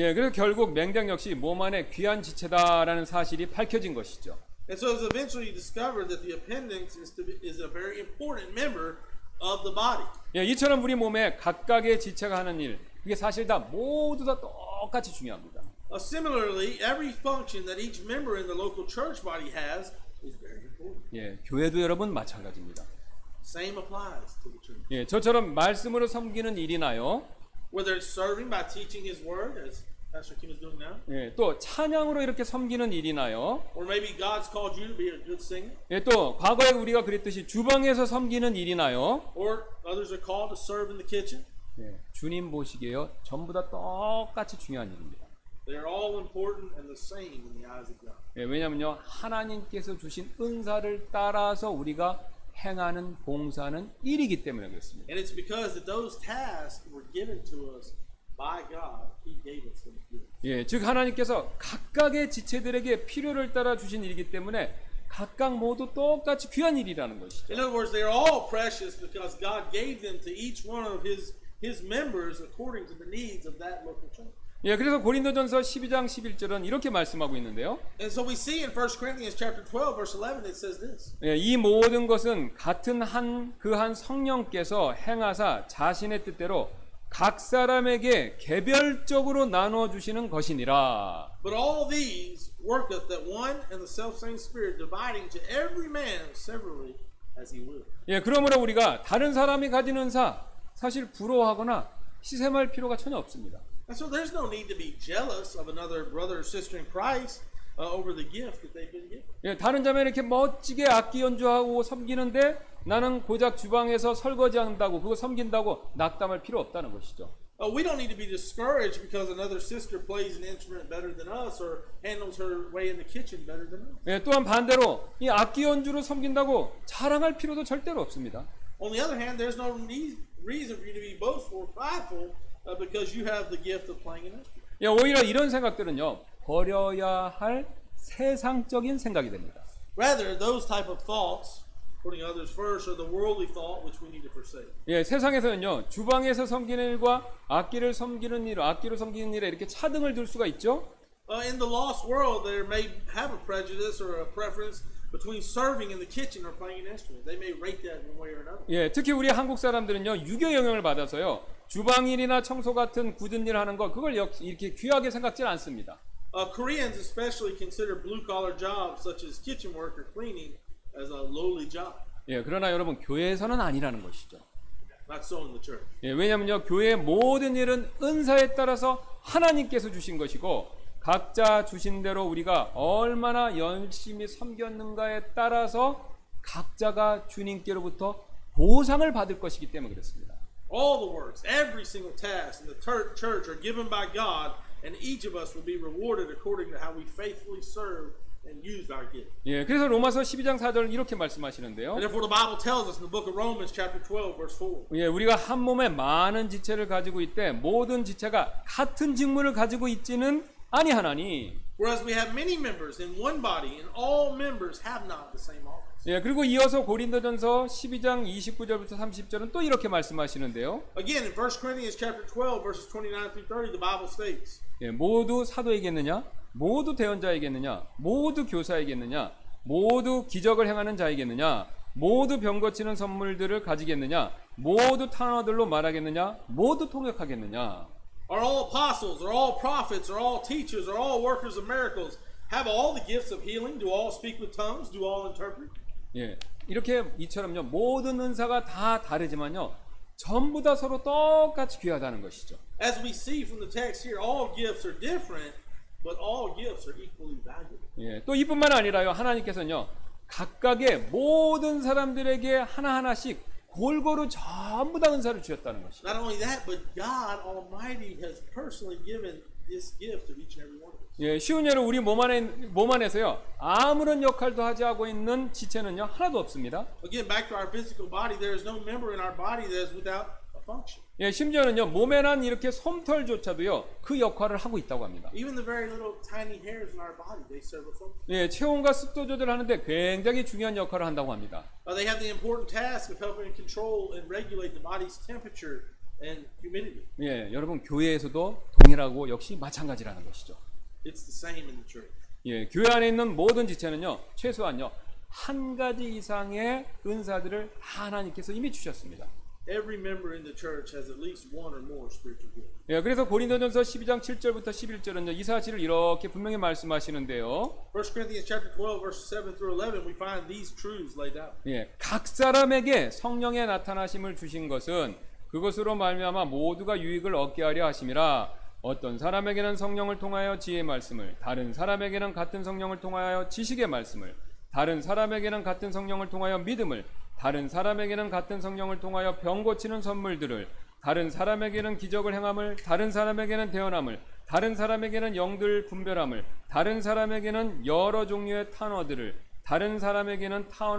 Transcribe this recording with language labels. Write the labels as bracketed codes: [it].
[ko] 예, 그래서 결국 맹장 역시 몸 안에 귀한 지체다라는 사실이 밝혀진 것이죠. [en] And so it was eventually discovered that the appendix is a very important member of the body. [ko] 예, 이처럼 우리 몸에 각각의 지체가 하는 일, 그게 사실 다 모두 다 똑같이 중요합니다. [en] Similarly, every function that each member in the local church body has is very important. [ko] 예, 교회도 여러분 마찬가지입니다. [en] Same applies to the church. [ko] 예, 저처럼 말씀으로 섬기는 일이나요. [en] Whether it's serving by teaching His word, as Pastor Kim is doing now. [ko] 예, 또 찬양으로 이렇게 섬기는 일이나요. [en] Or maybe God's called you to be a good singer. [ko] 예, 또 과거에 우리가 그랬듯이 주방에서 섬기는 일이나요. [en] Or others are called to serve in the kitchen. [ko] 예, 주님 보시기에요, 전부 다 똑같이 중요한 일입니다. [en] They're all important and the same in the eyes of God. [ko] 예, 왜냐하면요, 하나님께서 주신 은사를 따라서 우리가 행하는 봉사는 일이기 때문에 그렇습니다. [en] And it's because that those tasks were given to us by God. He gave us them. [ko] 예, 즉 하나님께서 각각의 지체들에게 필요를 따라 주신 일이기 때문에 각각 모두 똑같이 귀한 일이라는 것이죠. [en] In other words, they are all precious because God gave them to each one of His members according to the needs of that local church. [ko] 예, 그래서 고린도전서 12장 11절은 이렇게 말씀하고 있는데요. [en] And so we see in 1 Corinthians chapter 12 verse 11 it says this. [ko] 예, 이 모든 것은 같은 한 그 한 성령께서 행하사 자신의 뜻대로 각 사람에게 개별적으로 나누어 주시는 것이니라. [en] But all these worketh that one and the selfsame spirit dividing to every man severally as he will. [ko] 예, 그러므로 우리가 다른 사람이 가진 은사 사실 부러워하거나 시샘할 필요가 전혀 없습니다. [en] And so there's no need to be jealous of another brother or sister in Christ over the gift that they've been given. [ko] 예, 다른 자매는 이렇게 멋지게 악기 연주하고 섬기는데 나는 고작 주방에서 설거지한다고 그거 섬긴다고 낙담할 필요 없다는 것이죠. [en] We don't need to be discouraged because another sister plays an instrument better than us or handles her way in the kitchen better than us. [ko] 예, 또한 반대로 이 악기 연주로 섬긴다고 자랑할 필요도 절대로 없습니다. [en] On the other hand, there's no reason for you to be boastful or prideful. Because you have the gift of playing an instrument. [ko] 예, 오히려 이런 생각들은요 버려야 할 세상적인 생각이 됩니다. [en] Rather, those type of thoughts, putting others first, are the worldly thought which we need to forsake. [ko] 예, 세상에서는요 주방에서 섬기는 일과 악기를 섬기는 일, 악기로 섬기는 일에 이렇게 차등을 둘 수가 있죠. [en] In the lost world, there may have a prejudice or a preference between serving in the kitchen or playing an instrument. They may rate that one way or another. [ko] 예, 특히 우리 한국 사람들은요 유교 영향을 받아서요. 주방일이나 청소 같은 굳은 일 하는 거 그걸 역시 이렇게 귀하게 생각지 않습니다. [en] Koreans especially consider blue-collar jobs such as kitchen work or cleaning as a lowly job. [ko] 예, 그러나 여러분 교회에서는 아니라는 것이죠. [en] Not so in the church. [ko] 예, 왜냐면요 교회의 모든 일은 은사에 따라서 하나님께서 주신 것이고 각자 주신 대로 우리가 얼마나 열심히 섬겼는가에 따라서 각자가 주님께로부터 보상을 받을 것이기 때문에 그렇습니다. [en] All the works, every single task in the church are given by God, and each of us will be rewarded according to how we faithfully serve and use our gift. [ko] 예, 그래서 로마서 12장 4절은 이렇게 말씀하시는데요. [en] Therefore, the Bible tells us in the book of Romans, chapter 12, verse 4. [ko] 예, 우리가 한 몸에 많은 지체를 가지고 있되 모든 지체가 같은 직무를 가지고 있지는 아니하나니. [en] Whereas we have many members in one body, and all members have not the same office. [ko] 예, 그리고 이어서 고린도전서 12장 29절부터 30절은 또 이렇게 말씀하시는데요. [en] Again, in 1 Corinthians chapter 12, verses 29 through 30, the Bible states. [ko] 예, 모두 사도이겠느냐? 모두 대언자이겠느냐? 모두 교사이겠느냐? 모두 기적을 행하는 자이겠느냐? 모두 병거치는 선물들을 가지겠느냐? 모두 탄어들로 말하겠느냐? 모두 통역하겠느냐? [en] Are all apostles, are all prophets, are all teachers, are all workers of miracles, have all the gifts of healing, do all speak with tongues, do all interpret? [ko] 예, 이렇게 이처럼요 모든 은사가 다 다르지만요 전부 다 서로 똑같이 귀하다는 것이죠. [en] As we see from the text here, all gifts are different, but all gifts are equally valuable. [ko] 예, 또 이뿐만 아니라요 하나님께서는요 각각의 모든 사람들에게 하나하나씩 골고루 전부 다 은사를 주셨다는 것이죠. [en] Not only that, but God Almighty has personally given this gift to each and every one of us. [ko] 예, 쉬운 예로 우리 몸 안에서요 아무런 역할도 하지 않고 있는 지체는요 하나도 없습니다. [en] Again, back to our physical body, there is no member in our body that is without a function. [ko] 예, 심지어는요 몸에 난 이렇게 솜털조차도요 그 역할을 하고 있다고 합니다. [en] Even the very little tiny hairs in our body, they serve a function. [ko] 예, 체온과 습도 조절하는데 굉장히 중요한 역할을 한다고 합니다. [en] They have the important task of helping control and regulate the body's temperature and humidity. [ko] 예, 여러분 교회에서도 동일하고 역시 마찬가지라는 것이죠. [en] It's the same in the church. [ko] 예, 교회 안에 있는 모든 지체는요 최소한요 한 가지 이상의 은사들을 하나님께서 이미 주셨습니다. [en] Every member in the church has at least one or more spiritual gifts. [ko] 예, 그래서 고린도전서 12장 7절부터 11절은요 이 사실을 이렇게 분명히 말씀하시는데요. [en] 1 Corinthians chapter 12, verses 7 through 11, we find these truths laid out. [ko] 예, 각 사람에게 성령의 나타나심을 주신 것은 그것으로 말미암아 모두가 유익을 얻게 하려 하심이라. 어떤 사람에게는 성령을 통하여 지혜의 말씀을, 다른 사람에게는 같은 성령을 통하여 지식의 말씀을, 다른 사람에게는 같은 성령을 통하여 믿음을, 다른 사람에게는 같은 성령을 통하여 병 고치는 선물들을, 다른 사람에게는 기적을 행함을, 다른 사람에게는 대언함을, 다른 사람에게는 영들 분별함을, 다른 사람에게는 여러 종류의 탄어들을, 다른 사람에게는